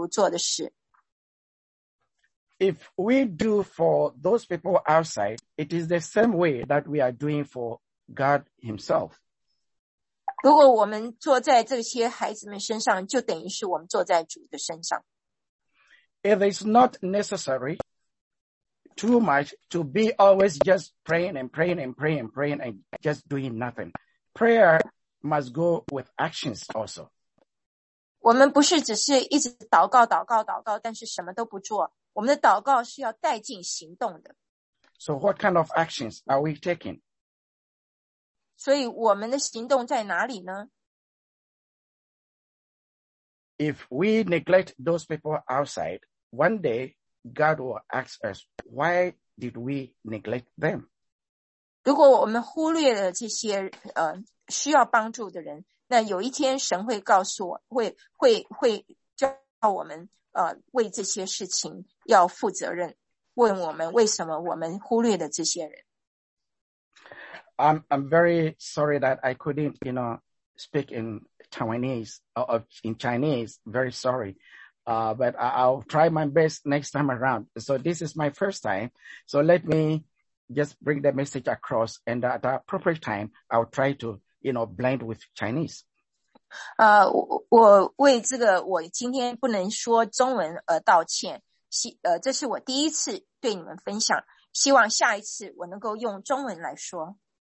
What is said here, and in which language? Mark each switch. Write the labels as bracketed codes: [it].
[zh] 我相信这个是神愿意每一个基督徒做的事。 [en] If we do for those people outside, it is the same way that we are doing for God himself. [zh] 如果我们坐在这些孩子们身上，就等于是我们坐在主的身上。 [en] It is not necessary too much to be always just praying and praying and praying and praying and just doing nothing. Prayer must go with actions also. [zh] 我们不是只是一直祷告，但是什么都不做。我们的祷告是要带进行动的。 [en] So what kind of actions are we taking? [zh] 所以我们的行动在哪里呢? [en] If we neglect those people outside, one day God will ask us, why did we neglect them? [zh] 如果我们忽略了这些需要帮助的人，那有一天神会告诉我，会叫我们为这些事情要负责任，问我们为什么我们忽略了这些人。 [en] I'm very sorry that I couldn't, you know, speak in Taiwanese or in Chinese. Very sorry. But I'll try my best next time around. So this is my first time. So let me just bring the message across, and at the appropriate time, I'll try to, you know, blend with Chinese. [zh] 我为这个我今天不能说中文而道歉。这是我第一次对你们分享，希望下一次我能够用中文来说。